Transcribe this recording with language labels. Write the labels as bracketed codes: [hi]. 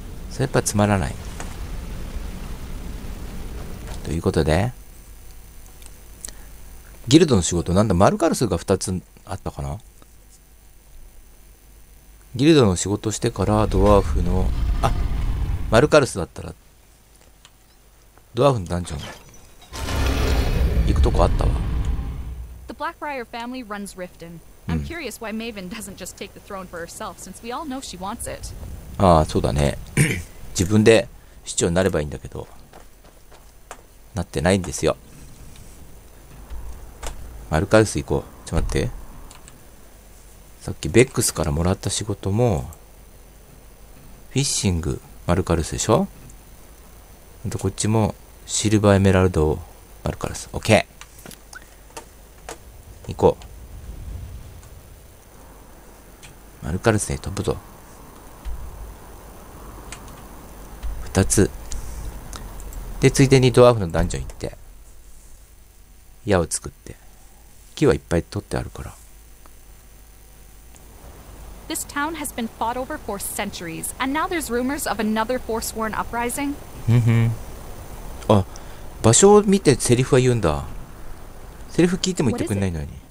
[ja] それやっぱつまらないということで、ギルドの仕事なんだ、マルカルスが2つあったかな。ギルドの仕事してからドワーフの、あ、マルカルスだったらドワーフのダンジョン行くとこあったわ。 [en] The Blackfriar family runs Riften. I'm curious why Maven doesn't just take the throne for herself since we all know she wants it. [ja] ああそうだね自分で市長になればいいんだけど、なってないんですよ。マルカルス行こう。ちょっと待って、さっきベックスからもらった仕事もフィッシング、マルカルスでしょ。あとこっちもシルバーエメラルド、マルカルス、オッケー行こう。マルカルスで飛ぶぞ。 2つで、ついでにドワーフのダンジョン行って矢を作って、木はいっぱい取ってあるから。 [en] This town has been fought over for centuries, and now there's rumors of another Forsworn uprising. [ja] あ、場所を見てセリフは言うんだ。セリフ聞いても言ってくれないのに。